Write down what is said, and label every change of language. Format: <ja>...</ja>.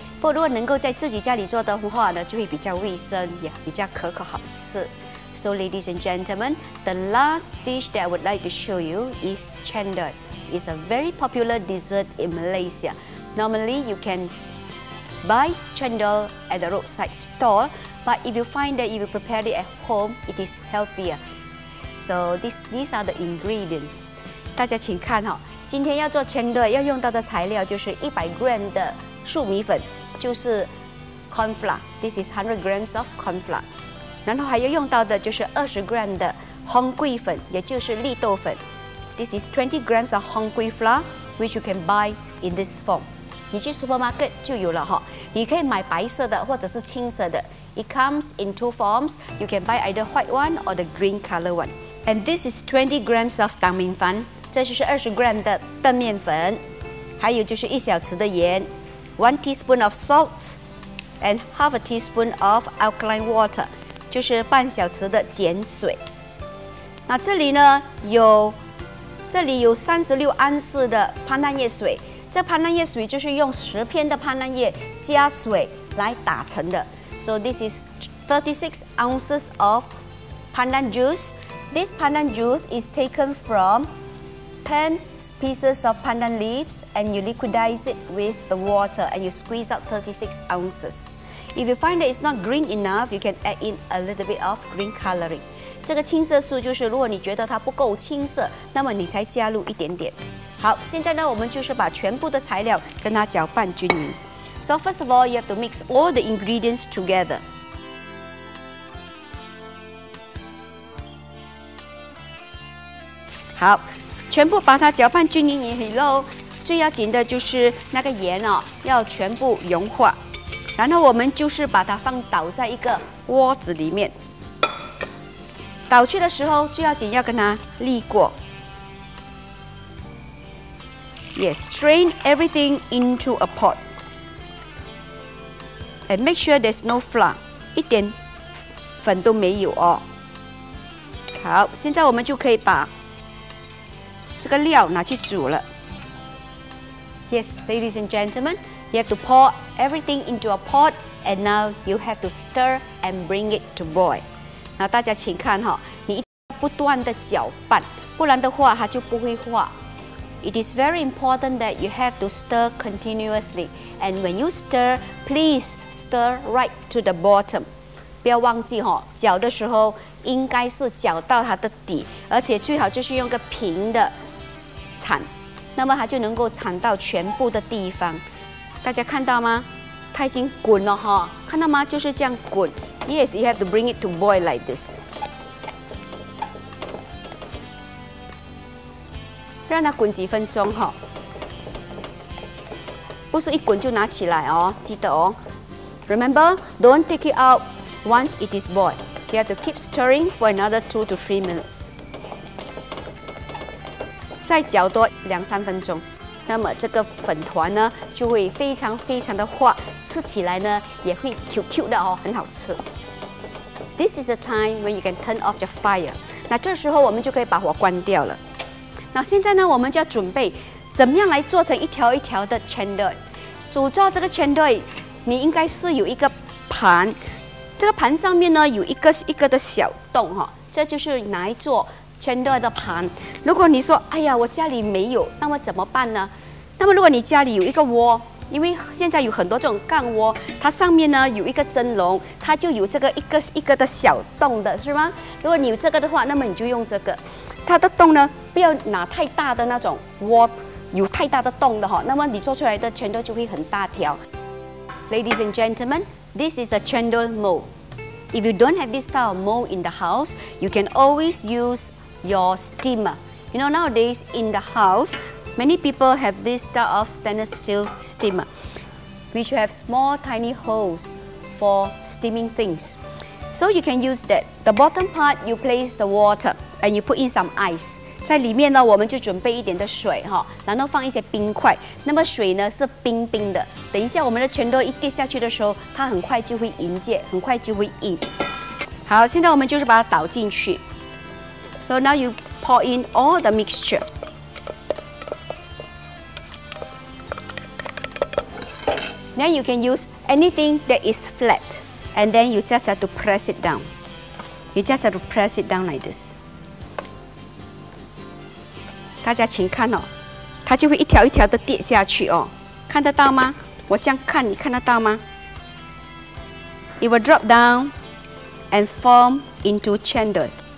<zh>不过如果能够在自己家里做的话呢，就会比较卫生，也比较可口好吃。</zh> <en>So ladies and gentlemen, the last dish that I would like to show you is Chendol. It's a very popular dessert in Malaysia. Normally, you can buy Chendol at the roadside stall, but if you find that if you prepare it at home, it is healthier. So these are the ingredients.</en> <zh>大家请看哦，今天要做 Chendol 要用到的材料就是100g 的粟米粉，就是 corn flour.</zh> <en>This is 100g of corn flour.</en> <zh>然后还要用到的就是20g 的红桂粉，也就是绿豆粉。</zh> <en>This is 20g of 红桂 flour, which you can buy in this form.</en> <zh>你去 supermarket 就有了哈。你可以买白色的或者是青色的。</zh> <en>It comes in two forms. You can buy either white one or the green color one. And this is 20g of</en> <zh>当明粉，这就是20g 的豆面粉。还有就是一小匙的盐</zh> <en>，one teaspoon of salt, and half a teaspoon of alkaline water.</en> <zh>就是半小匙的碱水。那这里呢，有36盎司的潘旦叶水。这潘旦叶水就是用十片的潘旦叶加水来打成的。</zh> <en>So this is 36 ounces of pandan juice. This pandan juice is taken from 10 pieces of pandan leaves, and you liquidize it with the water, and you squeeze out 36 ounces. If you find that it's not green enough, you can add in a little bit of green coloring.</en> <zh>这个青色素就是如果你觉得它不够青色，那么你才加入一点点。好，现在呢，我们就是把全部的材料跟它搅拌均匀。</zh> <en>So first of all, you have to mix all the ingredients together.</en> <zh>好，全部把它搅拌均匀以后，最要紧的就是那个盐哦，要全部融化。然后我们就是把它放倒在一个锅子里面，倒去的时候就要紧要跟它沥过。</zh> <en>Yes, strain everything into a pot and make sure there's no flour,</en> <zh>一点粉都没有哦。好，现在我们就可以把这个料拿去煮了。</zh> <en>Yes, ladies and gentlemen. You have to pour everything into a pot, and now you have to stir and bring it to boil.</en> <zh>那大家请看哈，你一定要不断的搅拌，不然的话它就不会化。</zh> <en>It is very important that you have to stir continuously. And when you stir, please stir right to the bottom.</en> <zh>不要忘记哈，搅的时候应该是搅到它的底，而且最好就是用个平的铲，那么它就能够铲到全部的地方。大家看到吗？它已经滚了哈，看到吗？就是这样滚。</zh> <en>Yes, you have to bring it to boil like this.</en> <zh>让它滚几分钟哈，不是一滚就拿起来哦，记得哦。</zh> <en>Remember, don't take it out once it is boiled. You have to keep stirring for another 2 to 3 minutes.</en> <zh>再搅多两三分钟。那么这个粉团呢，就会非常非常的滑，吃起来呢也会 QQ 的哦，很好吃。</zh> <en>This is a time when you can turn off the fire.</en> <zh>那这时候我们就可以把火关掉了。那现在呢，我们就要准备怎么样来做成一条一条的 chendol。煮做这个 chendol， 你应该是有一个盘，这个盘上面呢有一个一个的小洞哈，这就是拿来做。 Chendol 的盘，如果你说哎呀我家里没有，那么怎么办呢？那么如果你家里有一个窝，因为现在有很多这种杠窝，它上面呢有一个蒸笼，它就有这个一个一个的小洞的，是吗？如果你有这个的话，那么你就用这个。它的洞呢不要拿太大的那种窝，有太大的洞的，那么你做出来的 Chendol 就会很大条。</zh> <en>Ladies and gentlemen, this is a Chendol mold. If you don't have this style of mold in the house, you can always useyour steamer. You know, nowadays in the house, many people have this type of stainless steel steamer, which have small tiny holes for steaming things. So you can use that. The bottom part, you place the water and you put in some ice.</en> <zh>在里面呢，我们就准备一点的水哈，然后放一些冰块。那么水呢是冰冰的，等一下我们的拳头一跌下去的时候，它很快就会凝结，很快就会硬。好，现在我们就是把它倒进去。</zh> <en>So now you pour in all the mixture. Then you can use anything that is flat, and then you just have to press it down. You just have to press it down like this.</en> <zh>大家请看哦，它就会一条一条的跌下去哦，看得到吗？我这样看，你看得到吗？</zh> <en>It will drop down and form into chendol.</en>